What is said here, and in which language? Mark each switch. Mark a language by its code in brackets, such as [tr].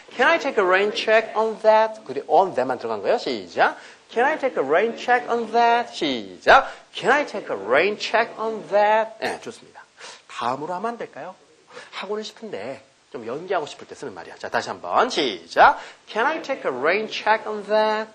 [en] Can I take a rain check on that? [ko] 그게 [en] on that [ko] 만 들어간 거예요. 시작. [en] Can I take a rain check on that? [ko] 시작. [en] Can I take a rain check on that? [ko] 네, 좋습니다. 다음으로 하면 안 될까요? 하고는 싶은데 좀 연기하고 싶을 때 쓰는 말이야. 자, 다시 한번 시작. [en] Can I take a rain check on that?